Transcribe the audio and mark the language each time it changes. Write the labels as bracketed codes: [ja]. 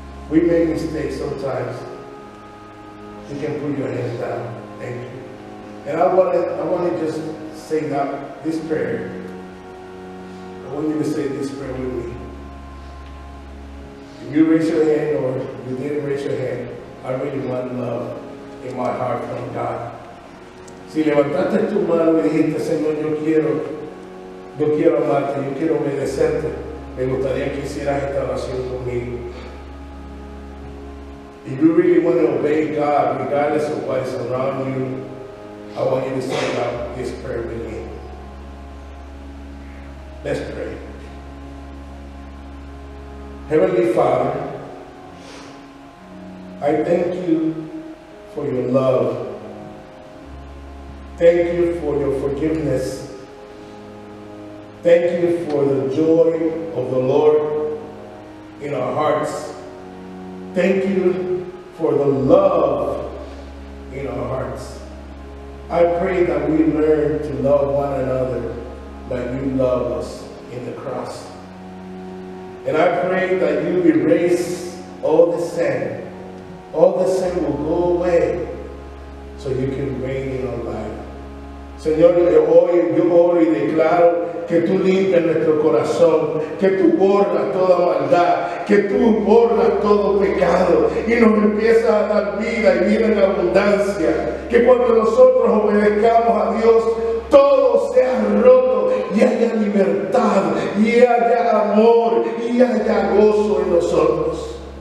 [en] We make mistakes sometimes. You can put your hands down. Thank you. And I want to just say that this prayer. I want you to say this prayer with me. If you raise your hand or you didn't raise your hand, I really want love in my heart from God. [es] Si levantaste tu mano y dijiste, Señor, yo quiero amarte, yo quiero obedecerte. Me gustaría que hicieras esta oración conmigo. [en] If you really want to obey God, regardless of what is around you, I want you to say out this prayer with me. Let's pray. Heavenly Father, I thank you for your love. Thank you for your forgiveness. Thank you for the joy of the Lord in our hearts. Thank you for the love in our hearts. I pray that we learn to love one another like you love us in the cross. And I pray that you erase all the sin. All the sin will go away so you can reign in our life. [es] Señor, yo hoy declaro que tú limpias nuestro corazón, que tú borras toda maldad, que tú borras todo pecado y nos empieza a dar vida y vida en abundancia. Que cuando nosotros obedezcamos a Dios, todo sea roto y haya libertad y haya amor y haya gozo en nosotros.